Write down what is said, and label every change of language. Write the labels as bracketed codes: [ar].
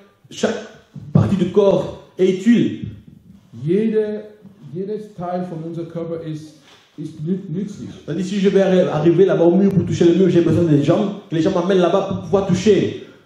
[fr] Chaque partie du corps est utile. [de] Jedes Teil von unserem Körper ist nützlich. [fr] C'est-à-dire si je vais arriver là-bas au mur pour toucher le mur, j'ai besoin des jambes, que les gens m'amènent là-bas pour pouvoir toucher.